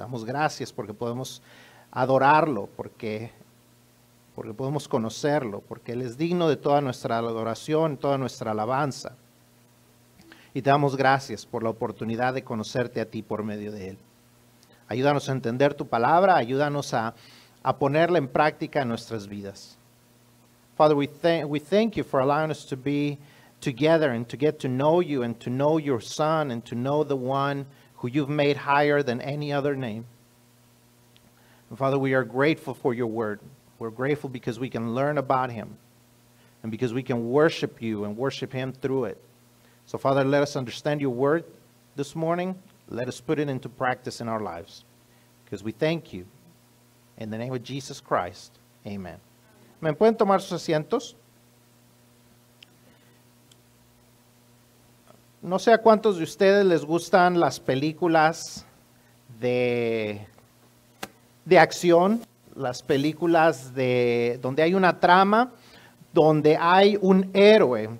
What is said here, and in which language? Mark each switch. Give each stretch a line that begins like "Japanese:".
Spanish: Te damos gracias porque podemos adorarlo, porque podemos conocerlo, porque Él es digno de toda nuestra adoración, toda nuestra alabanza. Y te damos gracias por la oportunidad de conocerte a ti por medio de Él. Ayúdanos a entender tu palabra, ayúdanos a ponerla en práctica en nuestras vidas.
English: Father, we thank you for allowing us to be together and to get to know you and to know your son and to know the one who you've made higher than any other name. And Father, we are grateful for your word. We're grateful because we can learn about him and because we can worship you and worship him through it. So Father, let us understand your word this morning. Let us put it into practice in our lives because we thank you. In the name of Jesus Christ, amen.
Spanish: ¿Me pueden tomar sus asientos? No sé a cuántos de ustedes les gustan las películas de acción, las películas de donde hay una trama, donde hay un héroe.